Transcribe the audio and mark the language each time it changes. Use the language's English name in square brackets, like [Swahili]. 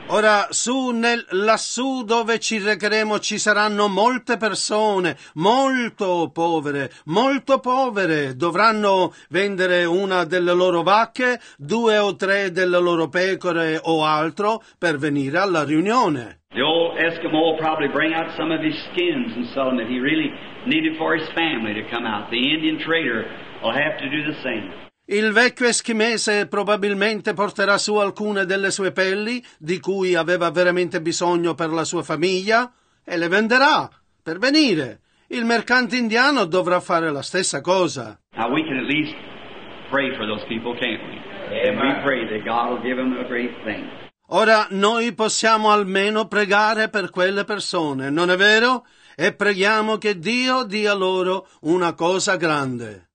[Italian] Ora, lassù dove ci recheremo ci saranno molte persone, molto povere, dovranno vendere una delle loro vacche, 2 o 3 delle loro pecore o altro per venire alla riunione. [English] The old Eskimo will probably bring out some of his skins and sell them if he really needed for his family to come out. The Indian trader will have to do the same. [Italian] Il vecchio eschimese probabilmente porterà su alcune delle sue pelli di cui aveva veramente bisogno per la sua famiglia e le venderà per venire. Il mercante indiano dovrà fare la stessa cosa. [English] Now we can at least pray for those people, can't we? Amen. And we pray that God will give them a great thing. [Italian] Ora noi possiamo almeno pregare per quelle persone, non è vero? E preghiamo che Dio dia loro una cosa grande.